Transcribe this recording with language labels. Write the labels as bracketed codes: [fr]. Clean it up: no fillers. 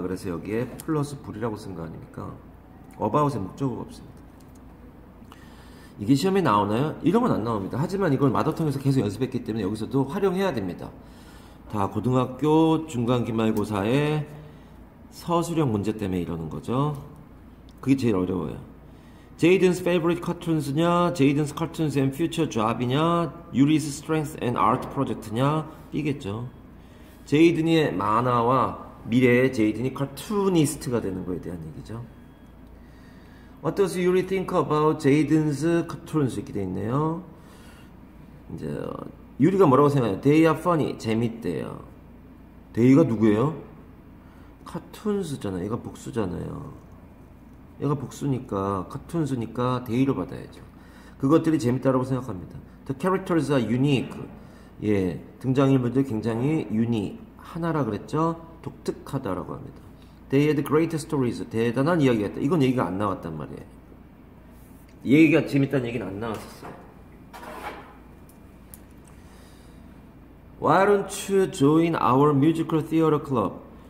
[ko] 그래서 여기에 플러스 불이라고 쓴거 아닙니까? about에 목적어가 없습니다. 이게 시험에 나오나요? 이런 건안 나옵니다. 하지만 이걸 마더텅에서 계속 연습했기 때문에 여기서도 활용해야 됩니다. 다 고등학교 중간기말고사에 서술형 문제 때문에 이러는 거죠. 그게 제일 어려워요. [en] Jaden's favorite cartoons냐, Jaden's cartoons and future job이냐, Yuri's strength and art project냐, 이겠죠. [ko] Jaden의 만화와 미래의 Jaden이 cartoonist가 되는 거에 대한 얘기죠. [en] What does Yuri think about Jaden's cartoons? 이렇게 돼 있네요. [ko] 이제 유리가 뭐라고 생각해요? [en] They are funny. 재밌대요. They가 누구예요? [ko] 카툰스잖아요. 얘가 복수잖아요. 얘가 복수니까 카툰스니까 데이로 받아야죠. 그것들이 재밌다라고 생각합니다. [en] The characters are unique. [ko] 예, 등장인물들 굉장히 유니 하나라 그랬죠? 독특하다라고 합니다. They had great stories. 대단한 이야기가 있다. 이건 얘기가 안 나왔단 말이에요. 얘기가 재밌다는 얘기는 안 나왔었어요. [en] Why don't you join our musical theater club?